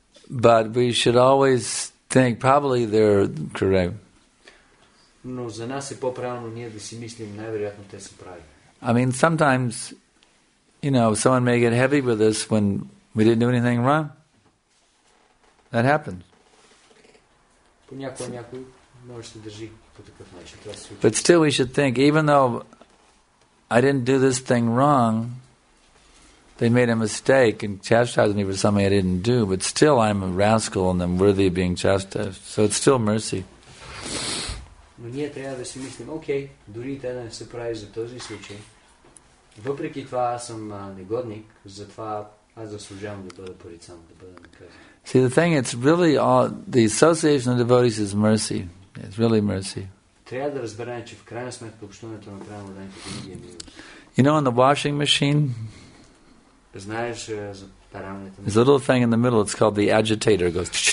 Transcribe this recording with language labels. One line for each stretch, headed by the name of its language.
English: But we should always think probably they're correct.
Bulgarian: Но за нас е по-правилно ние да си мислим най-вероятно те са прави.
English: I mean sometimes you know someone may get heavy with us when we didn't do anything wrong. That happens.
Bulgarian: Понякога може се държи по такъв начин.
English: But still we should think even though I didn't do this thing wrong, they made a mistake and chastised me for something I didn't do, but still I'm a rascal and I'm worthy of being chastised. So it's still mercy.
Bulgarian: Но ние трябва да си мислим, окей, дори те да не се прави за този случай. Въпреки това аз съм негодник, затова аз заслужавам да бъда порицан, да бъда наказан.
English: See, the thing, it's really all, the association of devotees is mercy. It's really mercy.
Bulgarian: Трябва да разберем, че в крайна сметка общуването на правилно дадените книги е милост.
English: You know, on the washing machine, there's a little thing in the middle, it's called the agitator. It goes.